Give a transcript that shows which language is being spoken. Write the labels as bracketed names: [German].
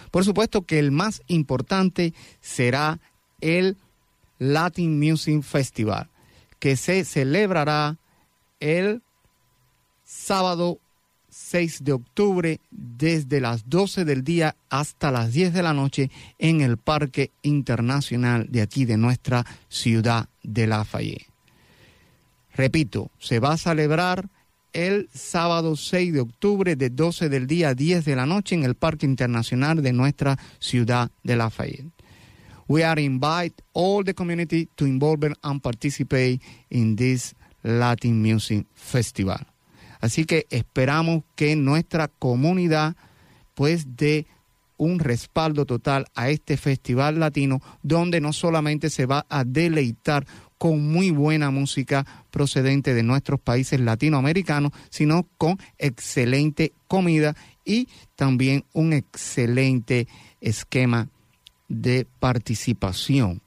[Spanish] Por supuesto que el más importante será el Latin Music Festival, que se celebrará el sábado 6 de octubre desde las 12 del día hasta las 10 de la noche en el Parque Internacional de aquí de nuestra ciudad de Lafayette. Repito, se va a celebrar el sábado 6 de octubre de 12 del día a 10 de la noche en el Parque Internacional de nuestra ciudad de Lafayette. [English] We are invite all the community to involve and participate in this Latin Music Festival. [Spanish] Así que esperamos que nuestra comunidad pues dé un respaldo total a este festival latino, donde no solamente se va a deleitar con muy buena música procedente de nuestros países latinoamericanos, sino con excelente comida y también un excelente esquema de participación.